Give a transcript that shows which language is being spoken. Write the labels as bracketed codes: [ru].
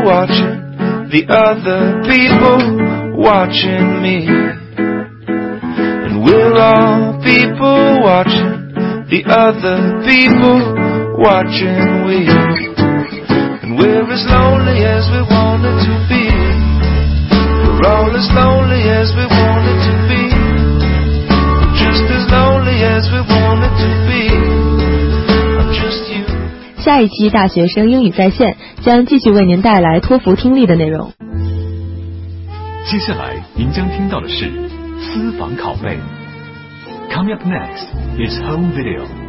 [en] The other people watching me, and we're all people watching the other people watching we, and we're as lonely as we wanted to be, we're all as lonely as we wanted to be, just as lonely as we wanted to be. [zh] 下一期大学生英语在线将继续为您带来托福听力的内容。接下来您将听到的是私房拷贝。 [en] Coming up next is home video.